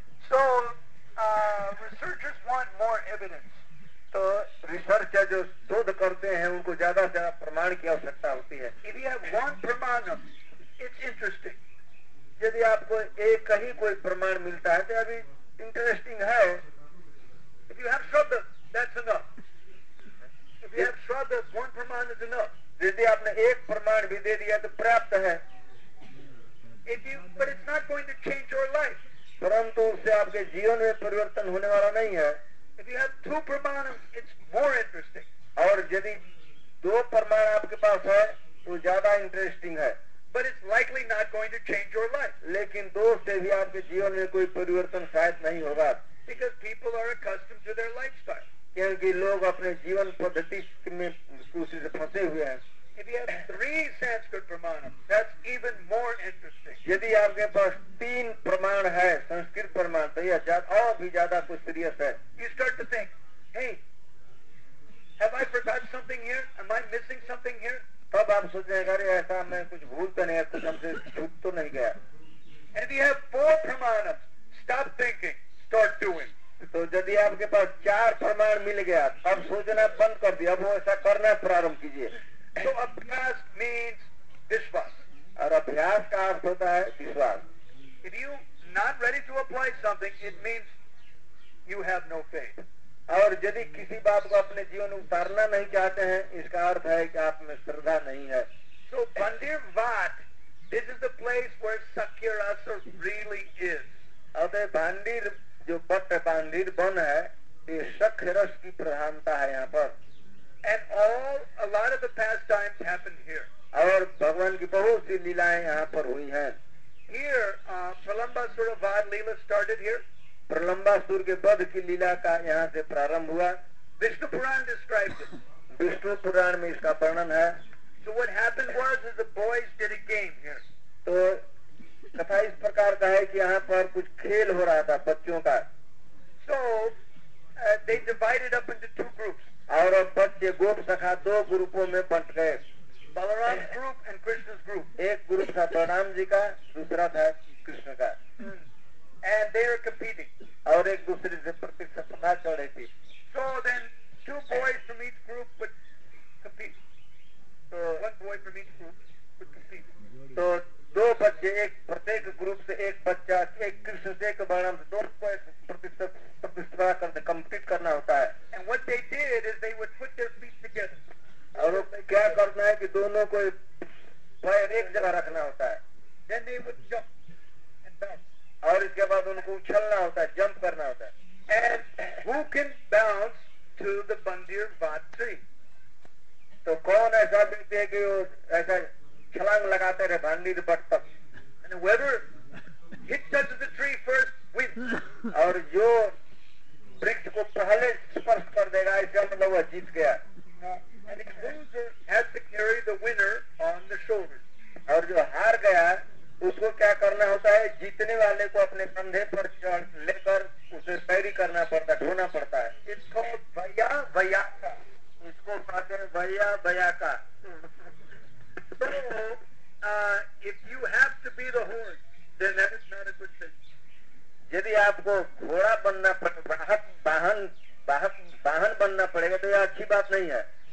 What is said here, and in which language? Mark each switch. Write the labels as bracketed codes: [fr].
[en] So, researchers want more evidence. [hi] तो researcher जो शोध करते हैं उनको ज्यादा से ज्यादा प्रमाण की आवश्यकता होती है. [en] If you have one pramanam, it's interesting. [hi] यदि आपको एक ही कोई प्रमाण मिलता है तो अभी इंटरेस्टिंग है. [en] If you have shraddha, that's enough. If you have shraddha, one praman is enough. [hi] यदि आपने एक प्रमाण भी दे दिया तो पर्याप्त है. [en] But it's not going to change your life. [hi] परंतु उससे आपके जीवन में परिवर्तन होने वाला नहीं है. [en] If you have two pramanam, it's more interesting. [hi] और यदि दो प्रमाण आपके पास है तो ज्यादा इंटरेस्टिंग है. [en] But it's likely not going to change your life. [hi] लेकिन दो से भी आपके जीवन में कोई परिवर्तन शायद नहीं होगा. [en] Because people are accustomed to their lifestyle. [hi] क्योंकि लोग अपने जीवन पद्धति में उसी से फंसे हुए हैं. [en] If you have three Sanskrit pramanam, that's even more interesting. [hi] यदि आपके पास तीन प्रमाण है संस्कृत प्रमाण तो यह और भी ज्यादा कुछ सीरियस है. [en] You start to think, hey, have I forgotten something here? Am I missing something here? [hi] तब आप सोचने लगे अरे ऐसा मैं कुछ भूल तो नहीं, कुछ हमसे छूट तो नहीं गया. [en] And if you have four pramanam, stop thinking, start doing. [hi] तो यदि आपके पास चार प्रमाण मिल गया अब सोचना बंद कर दिया, अब वो ऐसा करना प्रारंभ कीजिए. [en] So अभ्यास means विश्वास. [hi] और अभ्यास का अर्थ होता है विश्वास. [en] If you not ready to apply something, it means you have no faith. [hi] और यदि किसी बात को अपने जीवन में उतारना नहीं चाहते हैं, इसका अर्थ है कि आप में श्रद्धा नहीं है. [en] So Bandir Vat, this is the place where Sakya Rasa really is. [hi] अतः बंदीर जो बट बंदीर बन है, ये सख्य रस की प्रधानता है यहाँ पर. [en] And all a lot of the pastimes happened here. [hi] और भगवान की बहुत सी लीलाएं यहाँ पर हुई हैं. [en] Here, Pralambasura Vad Leela started here. [hi] Pralambasura के वध की लीला का यहाँ से प्रारंभ हुआ. [en] Vishnu Purana describes it. [hi] विष्णु पुराण में इसका वर्णन है. [en] So what happened was is the boys did a game here. [hi] तो कथा इस प्रकार का है कि यहाँ पर कुछ खेल हो रहा था बच्चों का. [en] So they divided up into two groups. [hi] और बच्चे गोप सखा दो ग्रुपों में बंट गए. [en] Balram group and Krishna group. [hi] एक ग्रुप था बलराम जी का, दूसरा था कृष्ण का. [en] And they are competing. [hi] और एक दूसरे से प्रतिस्पर्धा चल रही थी. [en] So then two boys from each group would compete. So one boy from each group would compete. [hi] तो दो बच्चे एक प्रत्येक ग्रुप से, एक बच्चा एक कृष्ण से एक बलराम से, दो बॉयज प्रतिस्पर्धा करते कम्पीट करना होता है. [en] And what they did is they would put their feet together. [hi] और क्या करना है कि दोनों को पैर एक जगह रखना होता है. [en] Then they would jump and bounce. [hi] और इसके बाद उनको उछलना होता है, जंप करना होता है. [en] And who can bounce to the Bandir Vat tree? [hi] तो कौन ऐसा व्यक्ति है कि वो ऐसा छलांग लगाते रहे बंदीर वट तक. [en] And whoever hits touch the tree first wins. [hi] और जो वृक्ष को पहले स्पर्श कर देगा इसका मतलब वह जीत गया. [en] And the loser has to carry the winner on the shoulder. [hi] और जो हार गया उसको क्या करना होता है, जीतने वाले को अपने कंधे पर चढ़ लेकर उसे पैरी करना पड़ता है, ढोना पड़ता है. इसको भैया भैया का, इसको कहते हैं भैया भैया का. [en] So, if you have to be the horse, then that is not a good thing. [hi] यदि आपको घोड़ा बनना पड़े, वाहन वाहन बनना पड़ेगा तो यह अच्छी बात नहीं है.